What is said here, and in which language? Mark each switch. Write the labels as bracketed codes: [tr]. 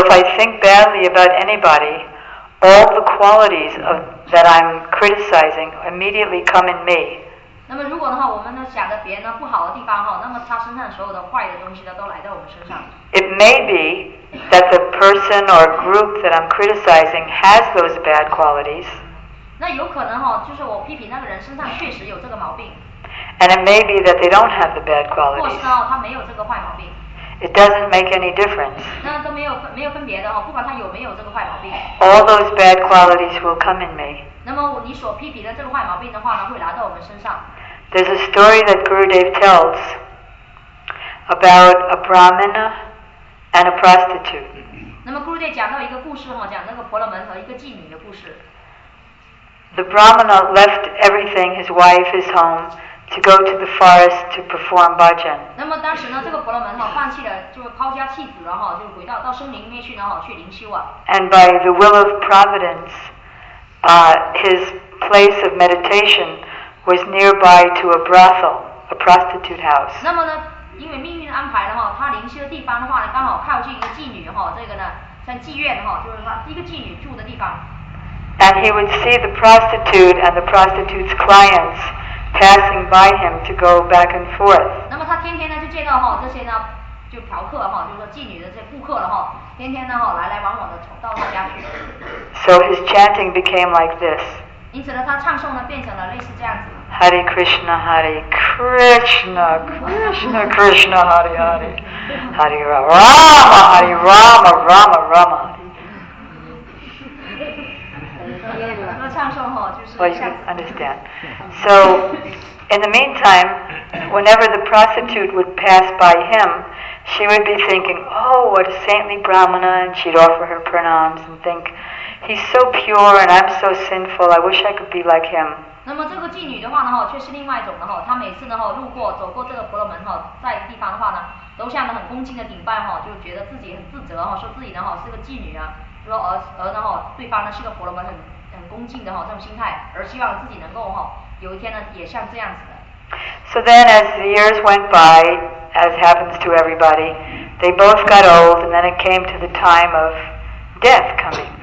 [en] So if I think badly about anybody,All the qualities of, that I'm criticizing immediately come in me. [zh] 那么如果的话，我们呢想着别人呢不好的地方哈，那么他身上所有的坏的东西呢都来到我们身上。 [en] It may be that the person or group that I'm criticizing has those bad qualities. [zh] 那有可能哈，就是我批评那个人身上确实有这个毛病。 [en] And it may be that they don't have the bad qualities. [zh] 或是哈，他没有这个坏毛病。 [en] It doesn't make any difference. [zh] 那都没有分别的哦，不管他有没有这个坏毛病。 [en] All those bad qualities will come in me. [zh] 那么你所批评的这个坏毛病的话呢，会来到我们身上。 [en] There's a story that Gurudev tells about a brahmana and a prostitute. [zh] 那么 Gurudev 讲到一个故事哈，讲那个婆罗门和一个妓女的故事。 [en] The brahmana left everything, his wife, his home. To go to the forest to perform bhajan. [zh] 那么当时呢，这个婆罗门哈放弃了，就是抛家弃子了哈，就回到森林里面去呢哈，去灵修啊。 [en] And by the will of providence, his place of meditation was nearby to a brothel, a prostitute house. [zh] 那么呢，因为命运的安排的话，他灵修的地方的话呢，刚好靠近一个妓女哈，这个呢，像妓院哈，就是说一个妓女住的地方。 [en] And he would see the prostitute and the prostitute's clients. Passing by him to go back and forth. [zh] 那么他天天呢就见到哈这些呢就嫖客哈，就是妓女的这些顾客了哈，天天呢哈来来往往的从到他家去。 [en] So his chanting became like this. [zh] 因此呢，他唱诵呢变成了类似这样子。 [sa] Hare Krishna, Hare Krishna, Krishna Krishna, Hare Hare, Hare Rama, Hare Rama, Rama Rama. [zh] 那唱诵哈就是。 [en] Understand. So, in the meantime, whenever the prostitute would pass by him, she would be thinking, "Oh, what a saintly brahmana!" And she'd offer her pranams and think, "He's so pure, and I'm so sinful. I wish I could be like him." [zh] 那么这个妓女的话呢，哈，却是另外一种的哈。她每次呢，哈，路过走过这个婆罗门哈，在地方的话呢，都向着很恭敬的顶拜哈，就觉得自己很自责哈，说自己呢，哈，是个妓女啊。说而呢哈，对方呢是个婆罗门，很恭敬的哈，这种心态，而希望自己能够哈有一天呢也像这样子的。 [en] So then as the years went by, as happens to everybody, they both got old and then it came to the time of death coming.